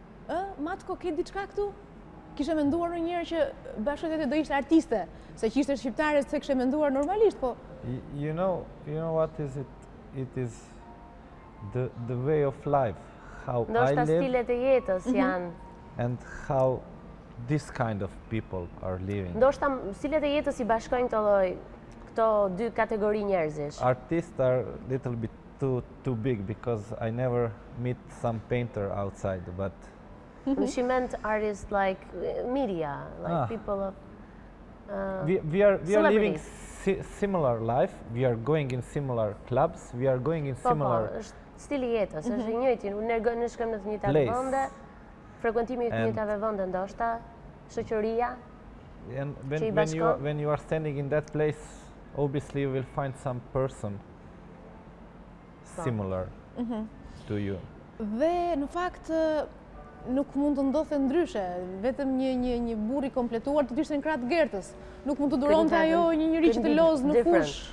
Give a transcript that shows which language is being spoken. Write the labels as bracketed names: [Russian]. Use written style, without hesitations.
[Albanian] Ë, Matko, ke diçka këtu? Kishe menduar njëherë që bashkëtetë do ishte artiste, se që ishte shqiptare, se kishe menduar normalisht, po... [English] You know what is it? It is the way of life, how Ndo I live... [Albanian] Ndoshta stilet e jetës janë... [English] And how this kind of people are living. [Albanian] Ndoshta stilet e jetës i bashkojnë të lloj këto dy kategori njerëzish. [English] Artists are little bit too big because I never meet some painter outside but she meant artists like media like people of we are living similar life we are going in similar clubs we are going in similar [Albanian] stili jetës është i njëjti ne shkojmë në të njëjtat vende frekuentimi të njëjtave vende ndoshta shoqëria [English] and when you are standing in that place obviously you will find some person similar to you. [Albanian] Dhe në fakt nuk mund të ndodhte ndryshe, vetëm një burr i kompletuar të ishte në krah të Gertës. Nuk mund të duronte ajo një njeri që të lozë në fush.